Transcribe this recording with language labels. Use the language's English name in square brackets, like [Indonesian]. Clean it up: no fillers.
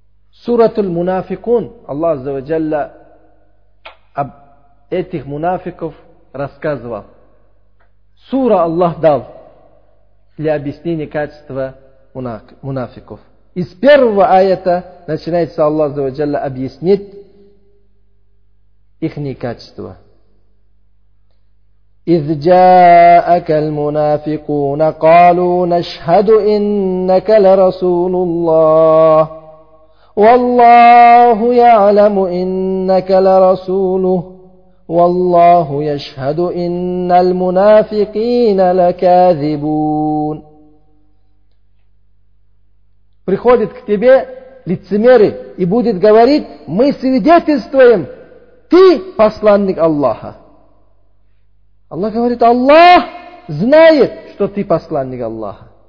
[Russian] Суратул Мунафикун, Аллах Азза ва Джалла об этих мунафиков рассказывал. Сура Аллах дал для объяснения качества мунафиков. Из первого аята начинается Аллах Азза ва Джалла объяснить их качества. [Arabic] إذ جاءك المنافقون قالوا نشهد إنك لرسول الله والله يعلم إنك لرسوله والله يشهد إن المنافقين لكاذبون. [Russian] Приходит к тебе лицемеры и будет говорить: мы свидетельствуем, ты посланник Аллаха. Аллах говорит, Аллах знает, что ты посланник Аллаха.